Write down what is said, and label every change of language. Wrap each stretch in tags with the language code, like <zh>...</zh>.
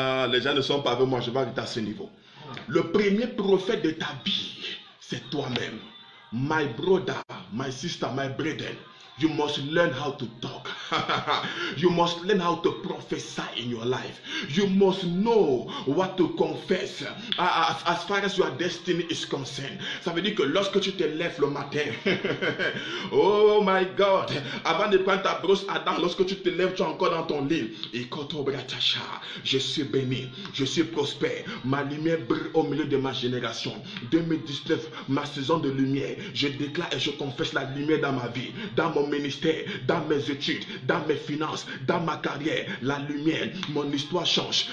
<fr>les gens ne sont pas avec moi, je vais arrêter à ce niveau. Le premier prophète de ta vie, c'est toi-même.</fr> <en>My brother, my sister, my brethren, you must learn how to talk. You must learn how to prophesy in your life. You must know what to confess as far as your destiny is concerned.</en> <fr>Ça veut dire que lorsque tu te lèves le matin,</fr> <en>oh my God,</en> <fr>avant de prendre ta brosse à dents, lorsque tu te lèves, tu es encore dans ton lit. Et quand on bratacha, je suis béni, je suis prospère, ma lumière brille au milieu de ma génération. 2019, ma saison de lumière, je déclare et je confesse la lumière dans ma vie, dans mon ministère, dans mes études, dans mes finances, dans ma carrière, la lumière, mon histoire change.</fr>